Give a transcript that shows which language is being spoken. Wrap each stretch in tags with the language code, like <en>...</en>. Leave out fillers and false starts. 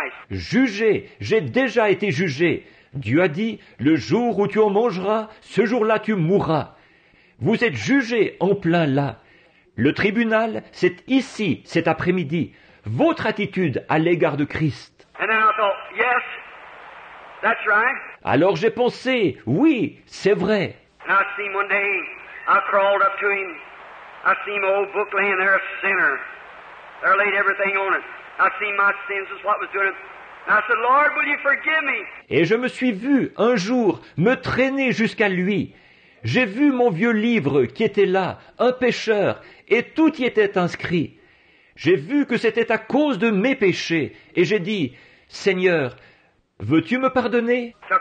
<fr>Jugé, j'ai déjà été jugé. Dieu a dit, le jour où tu en mangeras, ce jour-là tu mourras. Vous êtes jugé en plein là. Le tribunal, c'est ici, cet après-midi. Votre attitude à l'égard de Christ.</fr> <en>And then I thought, yes, that's right.</en> <fr>Alors j'ai pensé, oui, c'est vrai.</fr> <en>And I see him one day, I crawled up to him. I see my old book laying there, a sinner. There laid everything on it. I see my sins is what was doing it. And I said, Lord, will you forgive me?</en> <fr>Et je me suis vu un jour me traîner jusqu'à lui. J'ai vu mon vieux livre qui était là, un pécheur, et tout y était inscrit. J'ai vu que c'était à cause de mes péchés et j'ai dit, Seigneur, veux-tu me pardonner?</fr>